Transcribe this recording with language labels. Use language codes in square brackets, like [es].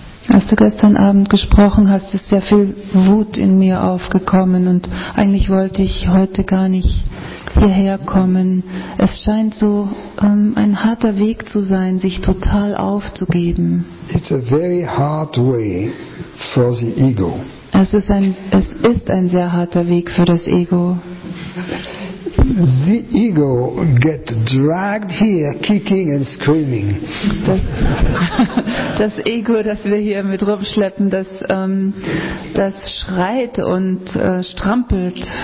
[de] Als du gestern Abend gesprochen hast, ist sehr viel Wut in mir aufgekommen, und eigentlich wollte ich heute gar nicht hierher kommen. Es scheint so ein harter Weg zu sein, sich total aufzugeben. [en] It's a very hard way for the ego. [de] Es ist ein sehr harter Weg für das Ego. [en] The ego get dragged here, kicking and screaming. [de] Das Ego, das wir hier mit rumschleppen, das schreit und strampelt.